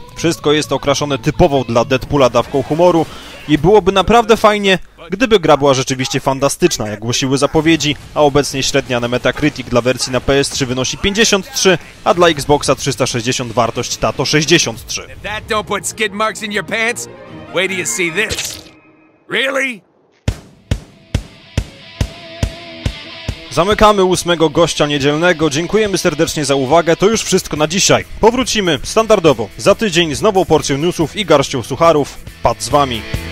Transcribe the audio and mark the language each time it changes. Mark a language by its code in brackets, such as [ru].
[pl] Wszystko jest okraszone typową dla Deadpoola dawką humoru i byłoby naprawdę fajnie, gdyby gra była rzeczywiście fantastyczna, jak głosiły zapowiedzi, a obecnie średnia na Metacritic dla wersji na PS3 wynosi 53, a dla Xboxa 360 wartość ta to 63. [en] If that don't put skid marks in your pants, wait till you see this. Really? [pl] Zamykamy ósmego gościa niedzielnego, dziękujemy serdecznie za uwagę, to już wszystko na dzisiaj. Powrócimy, standardowo, za tydzień z nową porcją newsów i garścią sucharów. Pat z wami.